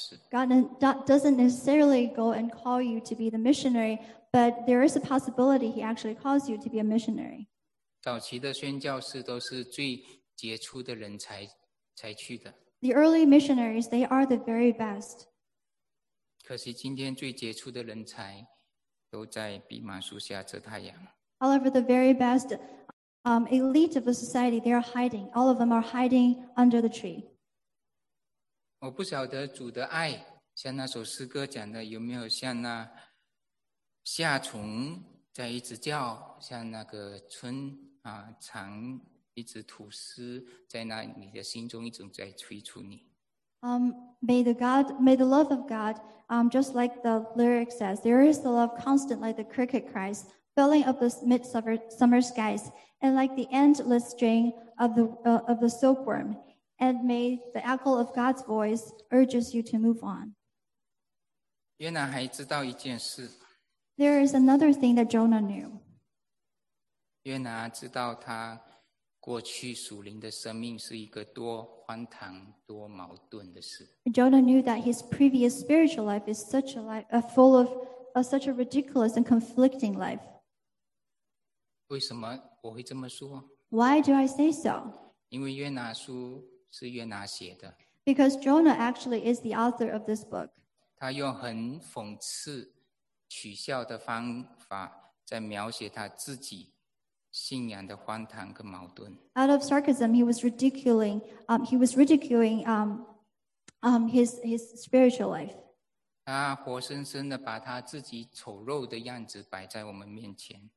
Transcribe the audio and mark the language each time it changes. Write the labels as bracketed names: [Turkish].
[English] God doesn't necessarily go and call you to be the missionary, but there is a possibility he actually calls you to be a missionary. [Chinese] 早期的宣教士都是最杰出的人才去的。 [English] The early missionaries, they are the very best. [Chinese] 可惜今天最杰出的人才都在蓖麻树下遮太阳。 [English] However, the very best elite of the society, they are hiding. All of them are hiding under the tree. [Chinese] 我不晓得主的爱像那首诗歌讲的有没有像那夏虫在一直叫，像那个春蝉一直吐丝，在那你的心中一直在催促你。 [English] May the love of God, just like the lyric says, there is the love constant like the cricket cries, filling up the midsummer skies, and like the endless string of the silkworm. And may the echo of God's voice urges you to move on. [Chinese] 约拿还知道一件事。 [English] There is another thing that Jonah knew. [Chinese] 约拿知道他过去属灵的生命是一个多荒唐、多矛盾的事。 [English] Jonah knew that his previous spiritual life is such a life, full of such a ridiculous and conflicting life. [Chinese] 为什么我会这么说？ [English] Why do I say so? [Chinese] 因为约拿书是约拿写的。 [English] Because Jonah actually is the author of this book. [Chinese] 他用很讽刺、取笑的方法在描写他自己。信仰的荒唐跟矛盾。 [English] Out of sarcasm, he was ridiculing. He was ridiculing. His spiritual life. [Chinese] 他活生生的把他自己丑陋的样子摆在我们面前。